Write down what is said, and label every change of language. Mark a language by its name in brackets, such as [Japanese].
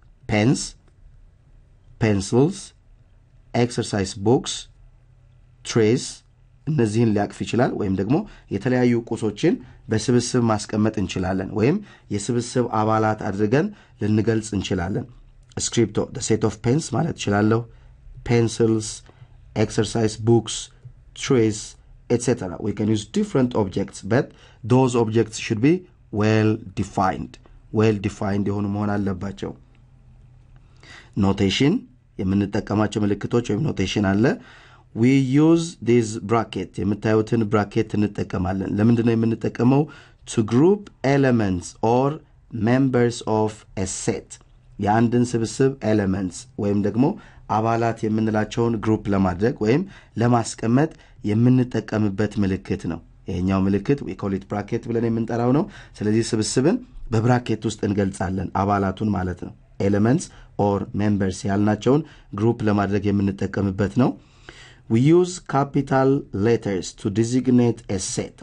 [English] Pens, pencils, exercise books, trays. [Amharic] እነዚህን ሊያቅፍ ይችላል ወይም ደግሞ የተለያዩ ቁሶችን በስብስብ ማስቀመጥ እንችላለን ወይም የስብስብ አባላት አድርገን ልንገልጽ እንችላለን። ስክሪፕቶ [English] the set of pens [Amharic] ማለት ይችላል። [English] Pencils, exercise books, trays, etc. We can use different objects, but those objects should be well defined. [Amharic] Well defined የሆኑ መሆን አለባቸው። Notation የምንጠቀማቸው ምልክቶች ወይም notation አለ። [English] We use these brackets. [Amharic] የምታዩትን ብራኬት እንጠቀማለን። ለምንድን ነው የምንጠቀመው? [English] To group elements or members of a set. [Amharic] የአንድን ስብስብ elements ወይም ደግሞ አባላት የምንላቸውን ግሩፕ ለማድረግ ወይም ለማስቀመጥ የምንጠቀምበት ምልክት ነው። ይሄኛው ምልክት [English] we call it bracket [Amharic] ብለን የምንጠራው ነው። ስለዚህ ስብስብን በብራኬት ውስጥ እንገልጻለን አባላቱን ማለት ነው። elements or members ያልናቸውን ግሩፕ ለማድረግ የምንጠቀምበት ነው። [English] We use capital letters to designate a set.